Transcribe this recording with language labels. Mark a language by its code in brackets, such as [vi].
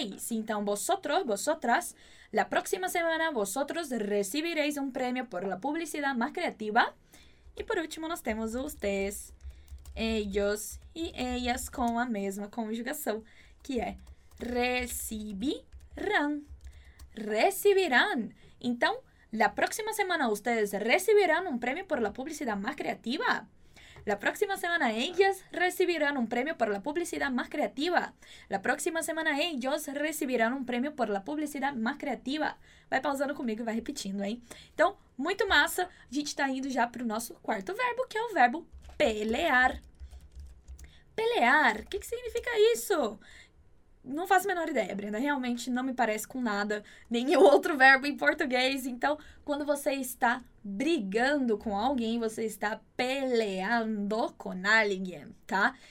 [es] Então, vosotras, la próxima semana vosotros recibiréis un premio por la publicidad más creativa. [pt] E por último, nós temos [es] ustedes, ellos [pt] e ellas com a mesma conjugação, que é recibirán. [es] Recibirán. Então, la próxima semana ustedes recibirán un premio por la publicidad más creativa. La próxima semana ellas recibirán un premio por la publicidad más creativa. La próxima semana ellos recibirán un premio por la publicidad más creativa. [pt] Vai pausando comigo e vai repetindo, hein? Então, muito massa. A gente tá indo já pro nosso quarto verbo, que é o verbo pelear. Pelear. O que que significa isso? Não faço a menor ideia, Brenda. Realmente não me parece com nada, nenhum outro verbo em português. Então, quando você está brigando com alguém, você está peleando com alguém, tá?